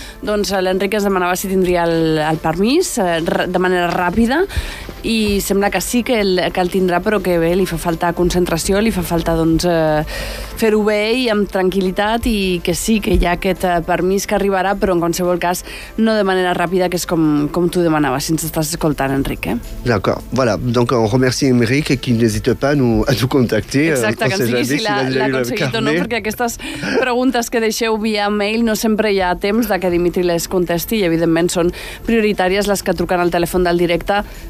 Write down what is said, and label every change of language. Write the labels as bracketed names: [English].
[Catalan] Doncs l'Enric es demanava si tindria el permís de manera ràpida i sembla que sí que el tindrà, però que bé, li fa falta concentració, li fa falta doncs, fer-ho bé i amb tranquil·litat, i que sí que hi ha aquest permís que arribarà, però en qualsevol cas no de manera ràpida, que és com tu demanaves, si ens estàs escoltant, Enric. Eh? D'acord. [French] Voilà. Donc on remercie Enric, qui n'hésite pas a nous contactar. [Catalan] Exacte, que ens digui si l'ha aconseguit o no, perquè aquestes preguntes que deixeu via mail no sempre hi ha temps de que Dimitri les contesti, i evidentment són prioritàries les que truquen al telèfon del directe.